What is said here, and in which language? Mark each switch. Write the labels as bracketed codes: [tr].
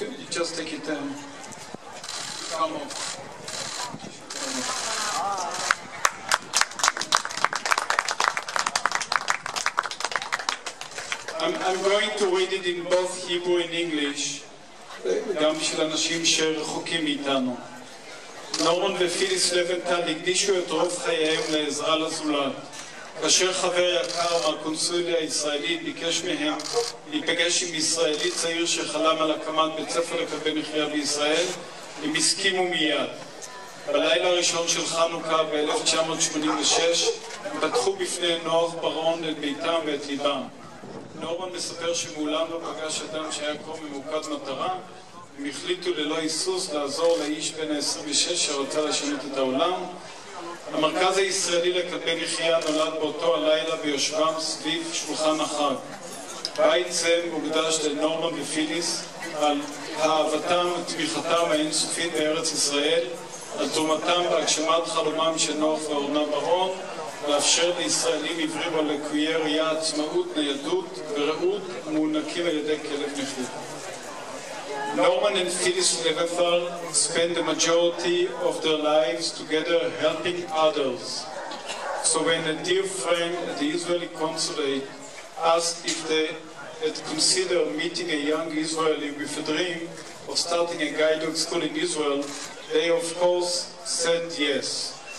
[en] Just take it down. Come on. I'm going to read it in both Hebrew and English. [he] גם של אנשים שרחוקים מאיתנו. נורמן ופיליס לבנטל הקדישו את רוב חייהם לעזרה לזולת. כאשר חבר יקר מהקונסוליה הישראלית ביקש מהם להיפגש עם ישראלי צעיר שחלם על הקמת בית ספר לכלבי נחייה בישראל, הם הסכימו מיד. בלילה הראשון של חנוכה ב-1986 הם פתחו בפני נוח ברון את ביתם ואת ליבם. נורא מספר שמעולם לא פגש אדם שהיה כה ממוקד מטרה, הם החליטו ללא היסוס לעזור לאיש בן ה-26 שרוצה לשנות את העולם. המרכז הישראלי לכלבי נחייה נולד באותו הלילה ביושבם סביב שולחן החג. בית זה מוקדש לנורמה ופיליס על אהבתם ותמיכתם האינסופית בארץ ישראל, על תרומתם בהגשמת חלומם של נוח ואורנה ברון, לאפשר לישראלים עיוורים על לקויי ראייה עצמאות, ניידות ורעות מוענקים על ידי כלב נחייה. [en] Norman and Phyllis Leventhal spend the majority of their lives together helping others. So when a dear friend at the Israeli consulate asked if they had considered meeting a young Israeli with a dream of starting a guide dog school in Israel, they of course said yes.